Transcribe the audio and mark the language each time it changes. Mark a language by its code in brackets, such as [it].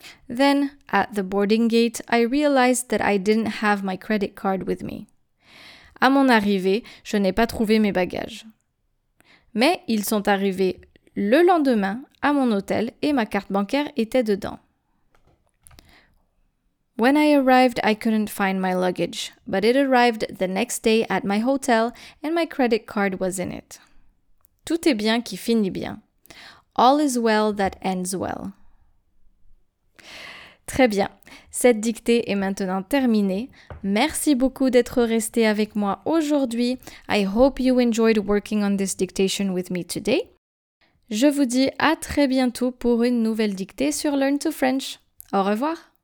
[en] Then, at the boarding gate, I realized that I didn't have my credit card with me. [fr] À mon arrivée, je n'ai pas trouvé mes bagages. Mais ils sont arrivés le lendemain, à mon hôtel, et ma carte bancaire était dedans. [en] When I arrived, I couldn't find my luggage, but it arrived the next day at my hotel and my credit card was in it. [fr] Tout est bien qui finit bien. [en] All is well that ends well. [fr] Très bien. Cette dictée est maintenant terminée. Merci beaucoup d'être resté avec moi aujourd'hui. [en] I hope you enjoyed working on this dictation with me today. [fr] Je vous dis à très bientôt pour une nouvelle dictée sur Learn to French. Au revoir.